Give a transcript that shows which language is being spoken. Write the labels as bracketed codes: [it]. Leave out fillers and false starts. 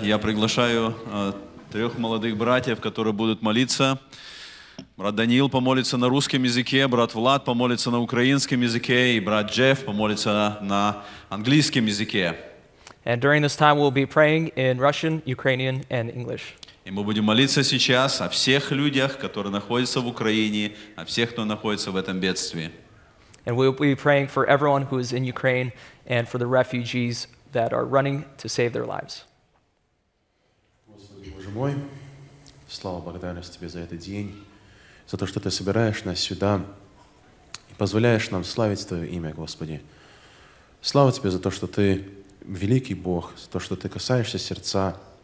[ru] Я приглашаю трех молодых братьев, которые будут молиться. Брат Даниил помолится на русском языке, брат Влад помолится на украинском языке, и брат Джефф помолится на английском языке. [en] And during this time we'll be praying in Russian, Ukrainian, and English. [ru] И мы будем молиться сейчас о всех людях, которые находятся в Украине, о всех, кто находится в этом бедствии. [en] And we'll be praying for everyone who is in Ukraine and for the refugees that are running to save their lives. [ru] Господи Боже мой, слава благодарность Тебе за этот день, за то, что Ты собираешь нас сюда и позволяешь нам славить Твое имя, Господи. Слава Тебе за то, что Ты великий Бог, за то, что Ты касаешься сердца.